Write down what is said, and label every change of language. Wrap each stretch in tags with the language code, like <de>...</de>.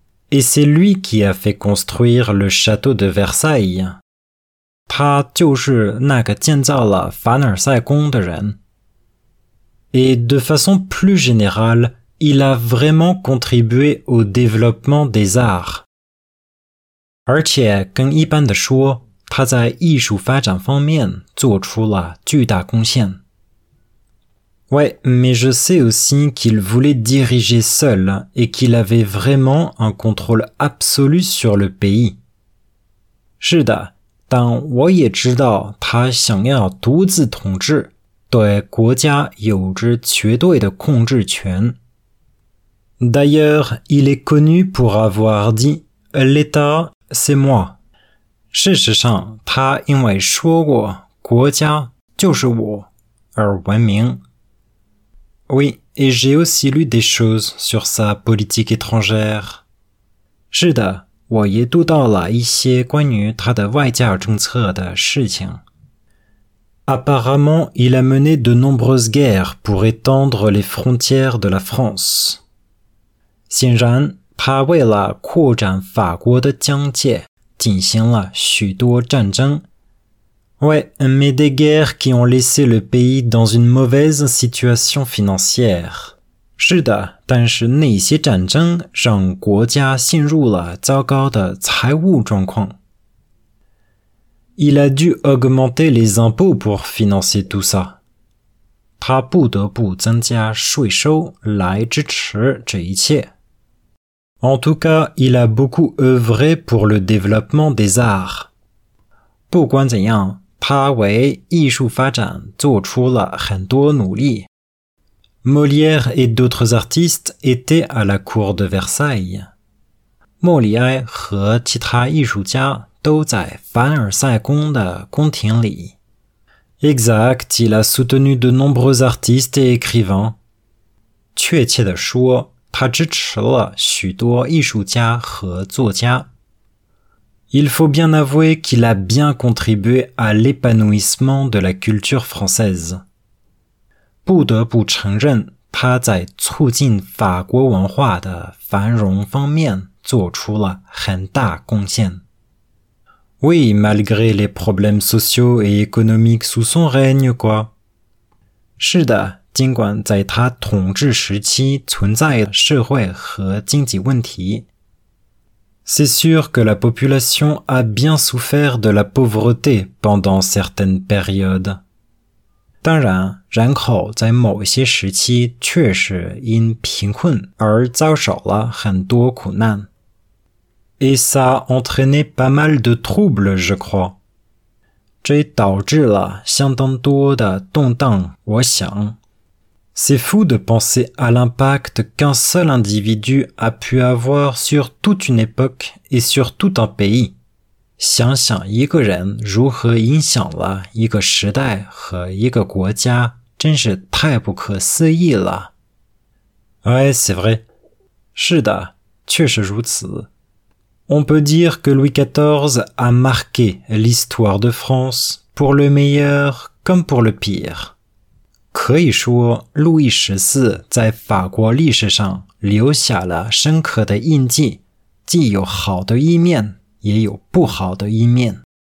<fr>Et c'est lui qui a fait construire le château de Versailles.</fr> <zh>他就是那个建造了凡尔赛宫的人.</zh> <fr>Et de façon plus générale, il a vraiment contribué au développement des arts.</fr> <zh>而且跟一般的说, 他在艺术发展方面做出了巨大贡献.</zh> <fr>Ouais, mais je sais aussi qu'il voulait diriger seul et qu'il avait vraiment un contrôle absolu sur le pays.</fr> <zh>是的, 但我也知道他想要独自统治, 对国家有着绝对的控制权。</zh> <fr>D'ailleurs, il est connu pour avoir dit « L'État, c'est moi ».</fr> <zh>事实上，他因为说过“国家就是我”而闻名。</zh> <fr>Oui, et j'ai aussi lu des choses sur sa politique étrangère.</fr> <zh>是的，我也读到了一些关于他的外交政策的事情。</zh> <fr>Apparemment, il a mené de nombreuses guerres pour étendre les frontières de la France.</fr> <zh>显然，他为了扩展法国的疆界，进行了许多战争。</zh> <fr>Ouais, mais des guerres qui ont laissé le pays dans une mauvaise situation financière.</fr> <zh>是的，但是那些战争让国家陷入了糟糕的财务状况。</zh> <fr>Il a dû augmenter les impôts pour financer tout ça.</fr> <zh>他不得不增加税收来支持这一切。</zh> <fr>En tout cas, il a beaucoup œuvré pour le développement des arts.</fr> <zh>不管怎样，他为艺术发展做出了很多努力。</zh> <fr>Molière et d'autres artistes étaient à la cour de Versailles.</fr> <zh>莫里埃和其他艺术家都在凡尔赛宫的宫廷里。</zh> <fr>Exact, il a soutenu de nombreux artistes et écrivains.</fr> <zh>确切地说，他支持了许多艺术家和作家。</zh> <fr>Il faut bien avouer qu'il a bien contribué à l'épanouissement de la culture française.</fr> <zh>不得不承认，他在促进法国文化的繁荣方面做出了很大贡献。</zh> <fr>Oui, malgré les problèmes sociaux et économiques sous son règne, quoi.</fr> <zh>是的，尽管在他统治时期存在社会和经济问题。</zh> <fr>C'est sûr que la population a bien souffert de la pauvreté pendant certaines périodes.</fr> <zh>当然，人口在某些时期确实因贫困而遭受了很多苦难。</zh> <fr>Et ça a entraîné pas mal de troubles, je crois.</fr> <zh>这导致了相当多的动荡，我想。</zh> <fr>C'est fou de penser à l'impact qu'un seul individu a pu avoir sur toute une époque et sur tout un pays.</fr> <zh>想想一个人如何影响了一个时代和一个国家，真是太不可思议了。</zh> <fr>Ouais, c'est vrai.</fr> <zh>是的，确实如此。</zh> <fr>On peut dire que Louis XIV a marqué l'histoire de France pour le meilleur comme pour le pire.</fr> <zh>可以说，路易十四在法国历史上留下了深刻的印记，既有好的一面，也有不好的一面。</zh>